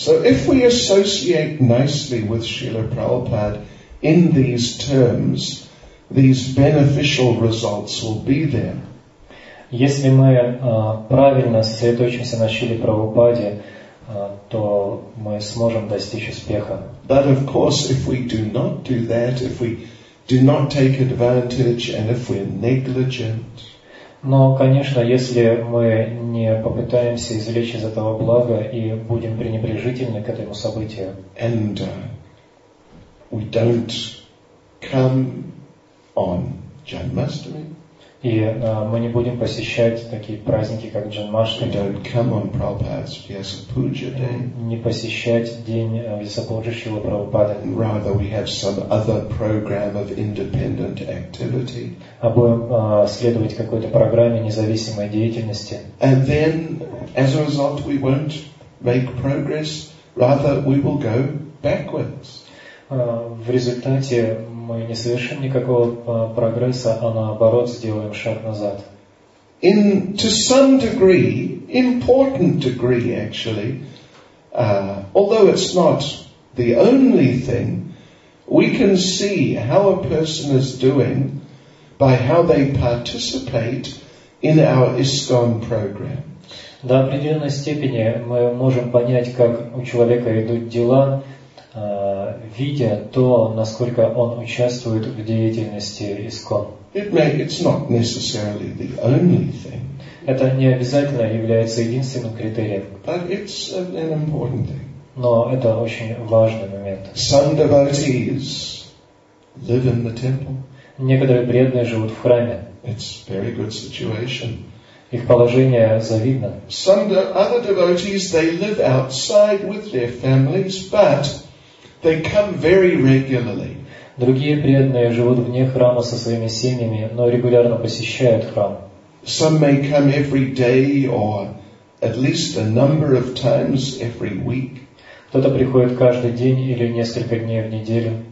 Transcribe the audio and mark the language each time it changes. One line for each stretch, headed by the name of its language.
English: So if we associate nicely with Srila Prabhupada in these terms, these beneficial results will be there.
Russian: Если мы правильно сосредоточимся на Шриле Прабхупаде, то мы сможем достичь успеха.
English: But of course, if we do not do that, if we do not take advantage, and if we're negligent,
Russian: но, конечно, если мы не попытаемся извлечь из этого блага и будем пренебрежительны к этому событию,
English: and we don't come on Janmashtami,
Russian: и мы не будем посещать такие праздники, как Джанмаштами.
English: We don't come on Prabhupada's Vyasa Puja day.
Russian: Не посещать день Вьяса Пуджи Шрилы Прабхупады.
English: Rather, we have some other program of independent activity.
Russian: А будем следовать какой-то программе независимой деятельности.
English: And then, as a result, we won't make progress. Rather, we will go backwards.
Russian: В результате мы не совершим никакого прогресса, а наоборот сделаем шаг назад.
English: In to some degree, important degree actually, although it's not the only thing, we can see how a person is doing by how they participate in our ISKCON program.
Russian: До определенной степени мы можем понять, как у человека идут дела, видя то, насколько он участвует в деятельности ISKCON.
English: It's not necessarily the only thing.
Russian: Это не обязательно является единственным критерием.
English: But it's an important thing.
Russian: Но это очень важный момент.
English: Some devotees live in the temple.
Russian: Некоторые преданные живут в храме.
English: It's a very good situation.
Russian: их положение завидно.
English: Some other devotees, they live outside with their families, but they come very regularly.
Russian: Другие преданные живут вне храма со своими семьями, но регулярно посещают храм.
English: Some may come every day or at least a number of times every week.
Russian: Кто-то приходит каждый день или несколько дней в неделю.